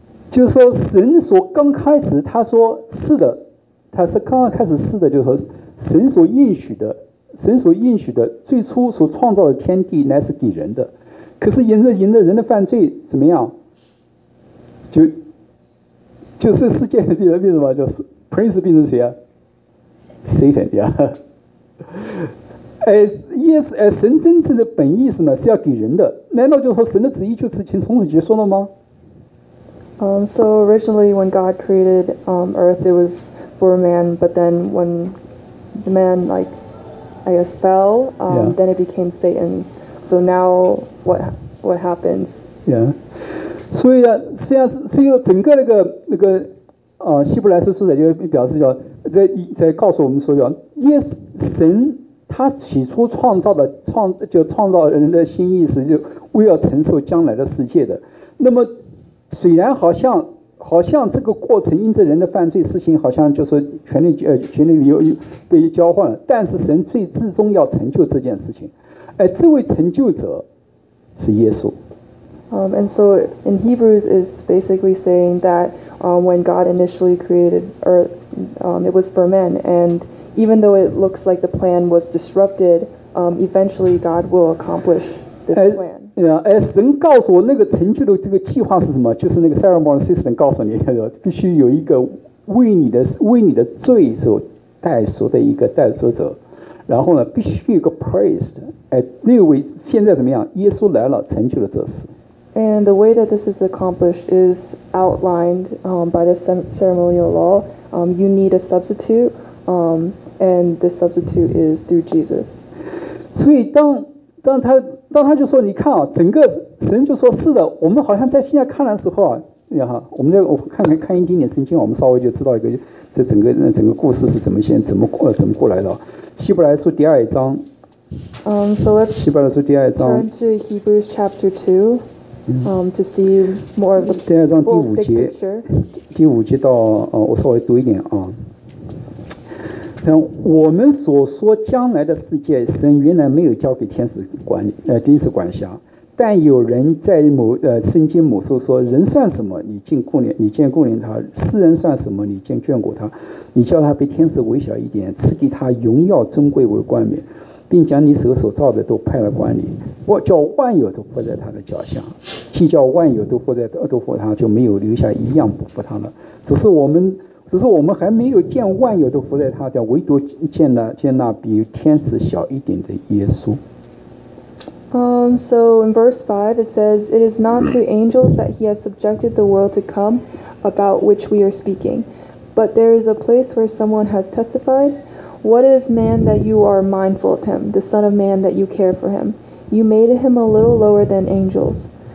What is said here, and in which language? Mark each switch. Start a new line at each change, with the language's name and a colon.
Chinese: 就说神所刚开始他说是的他是刚刚开始是的就是说神所应许的最初所创造的天地乃是给人的可是沿着人的犯罪怎么样就是世界变成什么就是 Prince 变成谁啊 Satan、神真正的本意是什么是要给人的难道就说神的旨意就是从此结束了吗
English: So originally when God created Earth, it was for man, but then when the man, fell, then it became Satan's. So now what happens? Yeah.
Chinese: 所以啊，实际上是一个整个那个希伯来书书者就表示叫在告诉我们说叫耶神他起初创造的创造人的新意识就为要承受将来的世界的那么虽然好像这个过程因着人的犯罪事情好像就是权力被交换了但是神最至终要成就这件事情而这位成就者是耶稣、
English: And so in Hebrews is basically saying that when God initially created earth it was for men and even though it looks like the plan was disrupted eventually God will accomplish this plan
Chinese: 神告诉我那个成就的这个计划是什么？就是那个 ceremony system 告诉你，必须有一个为你的罪所代赎的一个代赎者，然后呢，必须有一个 priest。那位现在怎么样？耶稣来了，成就了这事。
English: And the way that this is accomplished is outlined by the ceremonial law. You need a substitute, and the substitute is through Jesus.
Chinese: 所以当他就说你看啊整个神就说是的我们好像在现在看的时候啊我们再看一点点圣经我们稍微就知道一个这整个故事是怎么过来的希伯来书第二章
English: So let's
Chinese: 希伯来书第二章
English: turn to Hebrews chapter 2 to see more of the
Chinese: 第二章第五节第五节到我稍微读一点啊我们所说将来的世界神原来没有交给天使管理天使管辖但有人在某圣经某处说人算什么你竟顾念他世人算什么你竟眷顾他你叫他比天使微小一点赐给他荣耀尊贵为冠冕并将你手所造的都派了管理我叫万有都伏在他的脚下既叫万有都伏他就没有留下一样不伏他了只是我们还没有见万有都伏在他脚，唯独见那比天使小一点的耶稣。
English: So in verse 5 it says, "It is not to angels that he has subjected the world to come, about which we are speaking. But there is a place where someone has testified. What is man that you are mindful of him? The son of man that you care for him? You made him a little lower than angels."